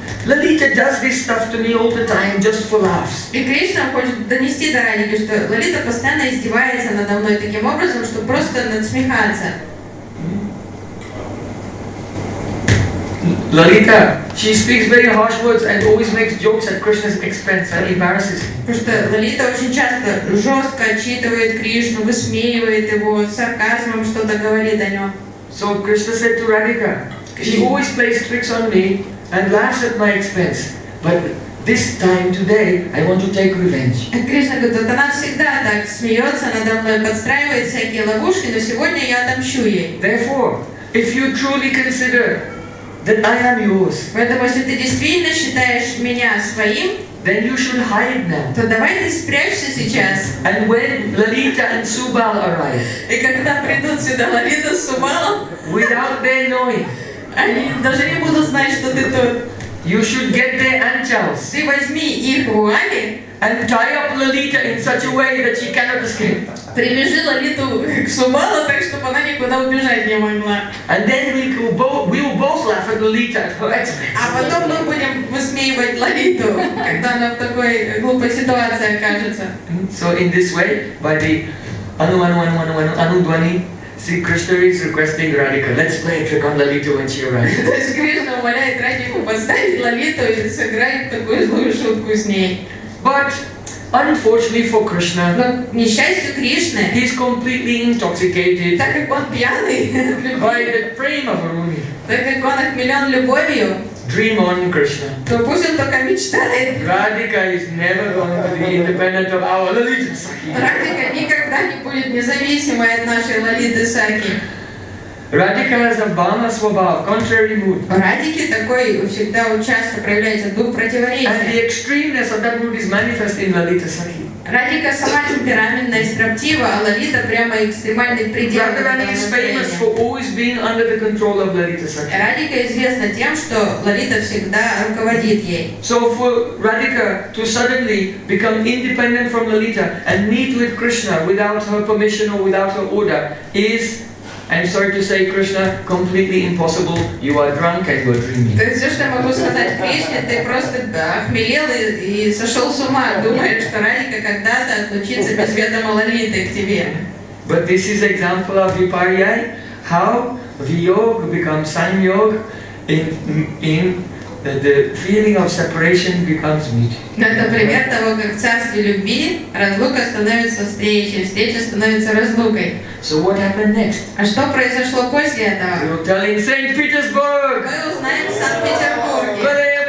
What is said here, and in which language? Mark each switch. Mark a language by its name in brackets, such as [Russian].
[English] Lalita does this stuff to me all the time, just for laughs. [Russian] И Кришна хочет донести до Радхи, что Лолита постоянно издевается надо мной таким образом, что просто надсмехаться. [English] Lalita, she speaks very harsh words and always makes jokes at Krishna's expense and embarrasses him. [Russian] Потому что Лолита очень часто жестко отчитывает Кришну, высмеивает его, сарказмом что-то говорит о нем. [English] So Krishna said to Radhika, she always plays tricks on me. And laughs at my expense, but this time today I want to take revenge. [Russian] А Кришна говорит, она всегда так смеется надо мной, подстраивает всякие ловушки, но сегодня я отомщу ей. [English] Therefore, if you truly consider that I am yours, [Russian] поэтому если ты действительно считаешь меня своим, [English] then you should hide now. [Russian] То давай ты спрячься сейчас. [English] And when Lalita and Subal arrive, [Russian] и когда придут сюда Лалита и Субал, [English] without their knowing. [Russian] Они даже не будут знать, что ты тут. [English] You should get the anchals. [Russian] Ты возьми их вуали. [English] And tie up Lalita in such a way that she cannot escape. [Russian] Привяжи Лолиту к Сумалу так, чтобы она никуда убежать не могла. [English] And then we will both laugh at Lalita at her expense. [Russian] А потом мы будем высмеивать Лолиту, когда она в такой глупой ситуации окажется. [English] So in this way, by the Anu-Anu-Anu-Anu-Anu-Dvani, see, Krishna is requesting Radhika. Let's play a trick on Lalita when she arrives. [Russian] То есть Кришна умоляет Радхику поставить Лолиту и сыграть такую злую шутку с ней. [English] But unfortunately for Krishna, [Russian] но несчастью Кришны, [English] he's completely intoxicated. [Russian] Так как он пьяный. [English] By the Prem of Aruni. [Russian] Так как он отмелен любовью. [English] Dream on, Krishna. [Russian] То пусть он только мечтает. [English] Radhika is never going to be independent of our Lalita Sakhi. [Russian] Никогда не будет независимой от нашей Лолиты Сакхи. [English] Radhika has a bana swabhava, contrary mood. [Russian] Радхике такой всегда часто проявляется дух противоречия. [English] And the extremeness of that mood is manifest in Lalita Sakhi. [Russian] Радхика сама темпераментная и строптива, а Лолита прямо экстремальный предел. [English] Radhika is famous for always being under the control of Lalita Sakhi. [Russian] Радхика известна тем, что Лолита всегда руководит ей. [English] So for Radhika to suddenly become independent from Lalita and meet with Krishna without her permission or without her order is, I'm sorry to say, Krishna, completely impossible. You are drunk and you are dreaming. [Russian] То есть все, что я могу сказать Кришне, ты просто охмелел и сошел с ума, думаешь, что Радхика когда-то отлучится без ведома Лолиты к тебе. [English] But this is example of Vipariyai, how Viyog becomes Sanyog in the feeling of separation becomes meeting. [Russian] Это пример того, как в царстве любви разлука становится встречей, встреча становится разлукой. [English] So what happened next? [Russian] А что произошло после этого? [English] We will tell in St. Petersburg! [Russian] Мы узнаем в Санкт-Петербурге!